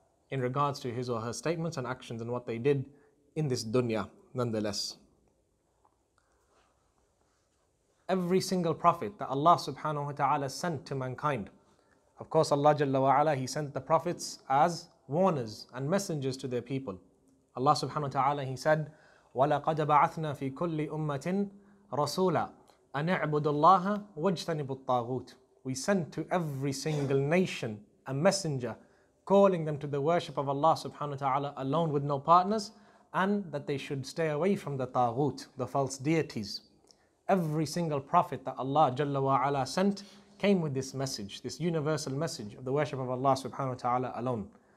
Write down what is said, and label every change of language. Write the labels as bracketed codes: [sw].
[en] in regards to his or her statements and actions and what they did in this dunya nonetheless. Every single prophet that Allah subhanahu wa ta'ala sent to mankind, of course Allah jalla wa ala, he sent the prophets as warners and messengers to their people. Allah subhanahu wa ta'ala, he said, [ar] وَلَقَدْ بَعَثْنَا فِي كُلِّ أُمَّةٍ رَسُولًا أَنِعْبُدُ اللَّهَ وَاجْتَنِبُ الطَّاغُوتِ. [en] We sent to every single nation a messenger calling them to the worship of Allah subhanahu wa ta'ala alone with no partners, and that they should stay away from the taghut, the false deities. Every single prophet that Allah jalla wa ala sent came with this message, this universal message of the worship of Allah subhanahu wa ta'ala alone.